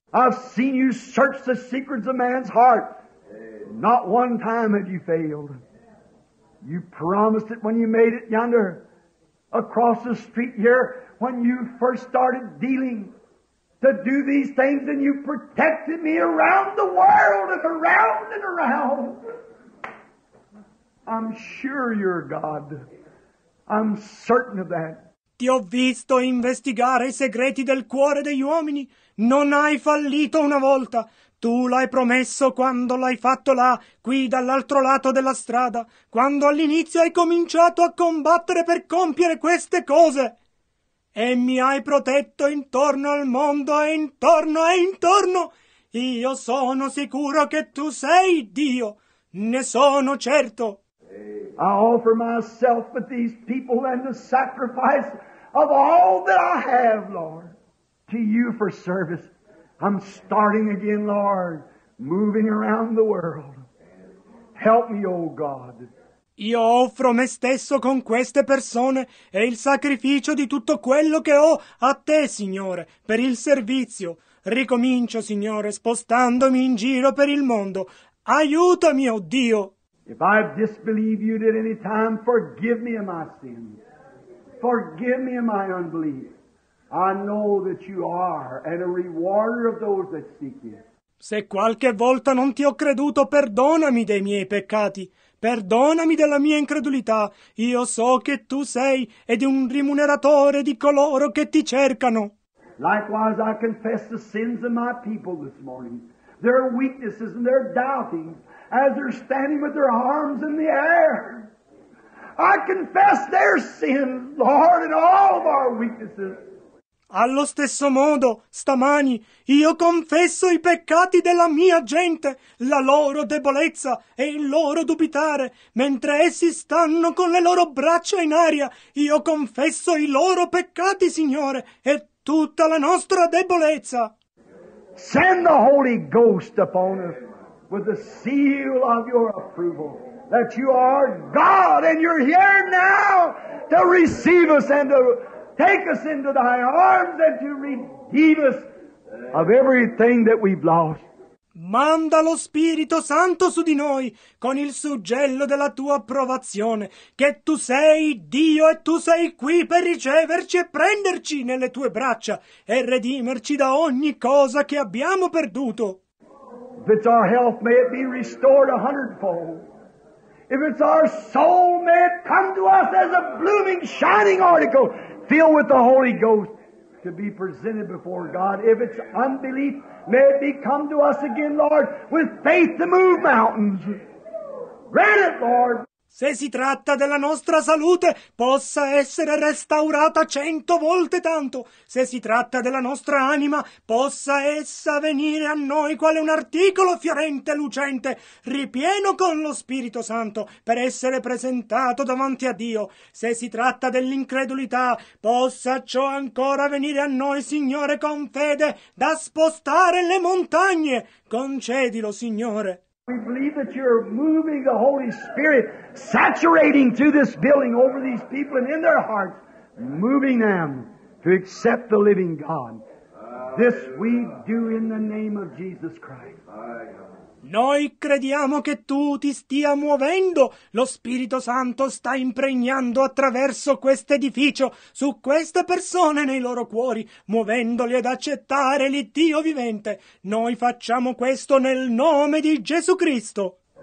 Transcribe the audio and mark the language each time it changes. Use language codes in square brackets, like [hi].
[en] I've seen you search the secrets of man's heart. Not one time have you failed. You promised it when you made it yonder, across the street here, when you first started dealing. To do these things, and you protected me around the world and around and around. I'm sure you're God. I'm certain of that. [it] Ti ho visto investigare i segreti del cuore degli uomini. Non hai fallito una volta. Tu l'hai promesso quando l'hai fatto là, qui dall'altro lato della strada, quando all'inizio hai cominciato a combattere per compiere queste cose. E mi hai protetto intorno al mondo e intorno, io sono sicuro che tu sei Dio, ne sono certo. [en] I offer myself with these people and the sacrifice of all that I have, Lord, to you for service. I'm starting again, Lord, moving around the world. Help me, O God. [it] Io offro me stesso con queste persone e il sacrificio di tutto quello che ho a te, Signore, per il servizio. Ricomincio, Signore, spostandomi in giro per il mondo. Aiutami, oh Dio! [en] If I disbelieve you at any time, forgive me of my sins. Forgive me of my unbelief. I know that you are and a rewarder of those that seek you. [it] Se qualche volta non ti ho creduto, perdonami dei miei peccati. Perdonami della mia incredulità. Io so che tu sei ed un rimuneratore di coloro che ti cercano. [en] Likewise, I confess the sins of my people this morning, their weaknesses and their doubtings, as they're standing with their arms in the air. I confess their sins, Lord, and all of our weaknesses. [it] Allo stesso modo, stamani, io confesso i peccati della mia gente, la loro debolezza e il loro dubitare, mentre essi stanno con le loro braccia in aria. Io confesso i loro peccati, Signore, e tutta la nostra debolezza. [en] Send the Holy Ghost upon us with the seal of your approval, that you are God and you're here now to receive us and to take us into thy arms and to redeem us of everything that we've lost. [it] Manda lo Spirito Santo su di noi con il suggello della tua approvazione, che tu sei Dio e tu sei qui per riceverci e prenderci nelle tue braccia e redimerci da ogni cosa che abbiamo perduto. [en] If it's our health, may it be restored a hundredfold. If it's our soul, may it come to us as a blooming, shining article, filled with the Holy Ghost, to be presented before God. If it's unbelief, may it be come to us again, Lord, with faith to move mountains. Grant it, Lord. [it] Se si tratta della nostra salute, possa essere restaurata 100 volte tanto. Se si tratta della nostra anima, possa essa venire a noi quale un articolo fiorente, lucente, ripieno con lo Spirito Santo, per essere presentato davanti a Dio. Se si tratta dell'incredulità, possa ciò ancora venire a noi, Signore, con fede, da spostare le montagne. Concedilo, Signore. [en] We believe that you're moving the Holy Spirit, saturating through this building over these people and in their hearts, moving them to accept the living God. This we do in the name of Jesus Christ. [it] Noi crediamo che tu ti stia muovendo, lo Spirito Santo sta impregnando attraverso questo edificio su queste persone nei loro cuori, muovendoli ad accettare l'Iddio vivente. Noi facciamo questo nel nome di Gesù Cristo.